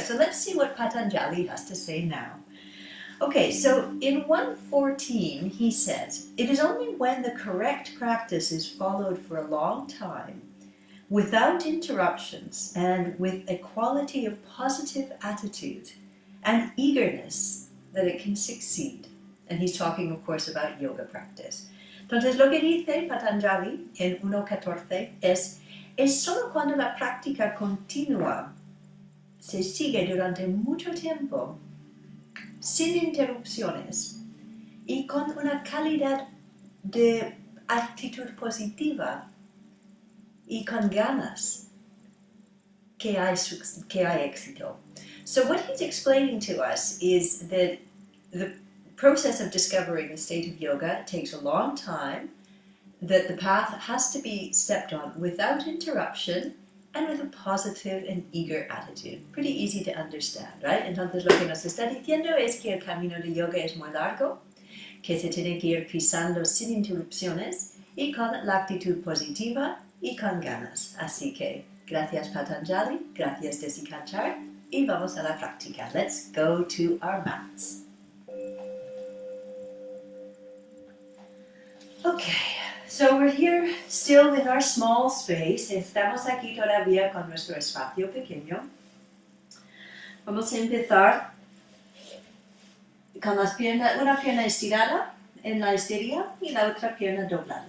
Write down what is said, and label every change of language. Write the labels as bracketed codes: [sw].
[en] So let's see what Patanjali has to say now. Okay, so in 114, he says, it is only when the correct practice is followed for a long time, without interruptions and with a quality of positive attitude and eagerness that it can succeed. And he's talking, of course, about yoga practice. [es] Entonces, lo que dice Patanjali en 1.14 es solo cuando la práctica continua se sigue durante mucho tiempo, sin interrupciones y con una calidad de actitud positiva y con ganas que hay éxito. [en] So what he's explaining to us is that the process of discovering the state of yoga takes a long time, that the path has to be stepped on without interruption and with a positive and eager attitude. Pretty easy to understand, right? [es] Entonces lo que nos está diciendo es que el camino de yoga es muy largo, que se tiene que ir pisando sin interrupciones y con la actitud positiva y con ganas. Así que, gracias Patanjali, gracias Desi Kachar, y vamos a la práctica. [en] Let's go to our mats. Okay, so we're here still with our small space. [es] Estamos aquí todavía con nuestro espacio pequeño. Vamos a empezar con las piernas, una pierna estirada en la esterilla y la otra pierna doblada.